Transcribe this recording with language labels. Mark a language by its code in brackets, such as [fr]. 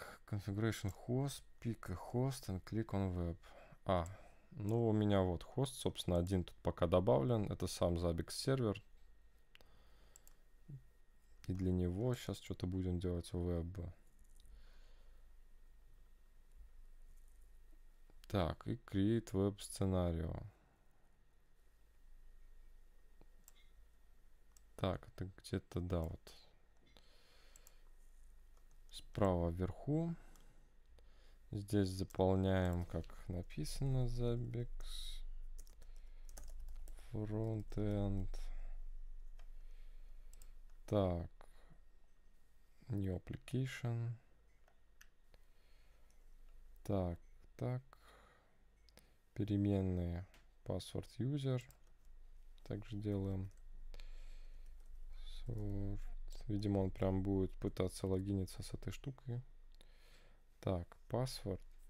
[en] Configuration host, pick a host and click on web. [ru] А, ну у меня вот хост, собственно, один тут пока добавлен. Это сам Zabbix сервер. И для него сейчас что-то будем делать веб. Так, и [en] create web [ru] сценарио. Так, это где-то, да, вот справа вверху. Здесь заполняем, как написано, забекс фронтенд. Так, [en] new application. [ru] Так, переменные [en] password user [ru] также делаем. Видимо, он прям будет пытаться логиниться с этой штукой. Так, паспорт.